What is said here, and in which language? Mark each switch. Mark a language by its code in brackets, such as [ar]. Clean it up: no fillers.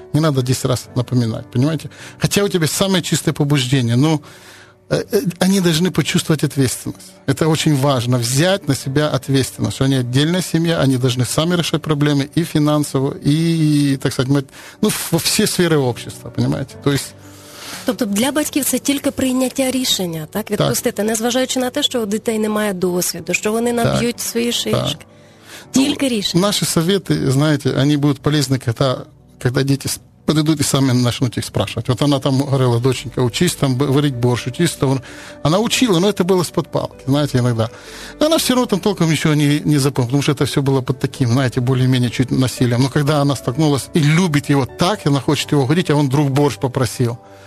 [ru] Не надо 10 раз напоминать, понимаете? Хотя у тебя самое чистое побуждение, но они должны почувствовать ответственность. Это очень важно, взять на себя ответственность. Они отдельная семья, они должны сами решать проблемы и финансовую, и, так сказать, ну, во все сферы общества, понимаете? То есть... [uk] Тобто для батьків це тільки прийняття рішення, так? Відпустити, так. Незважаючи на те, що у дітей немає досвіду, що вони наб'ють так. свої шишки. Тільки, ну, рішення. Наші совети, знаєте, вони будуть полезні, коли діти подойдут и сами начнут их спрашивать. [ru] Вот она там говорила, доченька, учись там варить борщ, учись там. Она учила, но это было с подпалки, знаете, иногда. Но она все равно там толком ничего не запомнила, потому что это все было под таким, знаете, более-менее чуть насилием. Но когда она столкнулась и любит его так, и она хочет его угодить, а он вдруг борщ попросил.